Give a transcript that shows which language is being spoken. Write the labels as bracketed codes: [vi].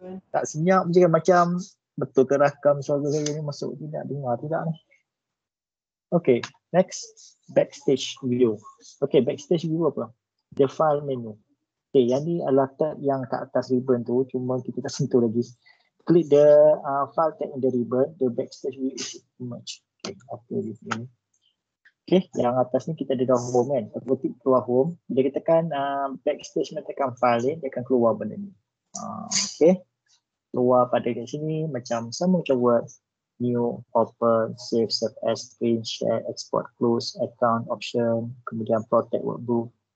[ms] Tak senyap je kan, macam betul ke rakam suara saya ni masuk tidak dengar tidak ni. [en] Okay, next, backstage view. Okay, backstage view apa? The file menu. [ms] Okay, yang ni adalah tab yang kat atas ribbon tu, cuma kita tak sentuh lagi. [en] Click the file tab in the ribbon, the backstage view is merge. Okay, after ini. [ms] Okay, yang atas ni kita ada dalam home kan. Kita ketik keluar home. Bila kita tekan backstage, kita tekan file ni, dia akan keluar benda ni. Okay. Keluar pada kat sini macam sama macam word new, open, save, save as, screen, share, export, close, account, option, kemudian protect workbook.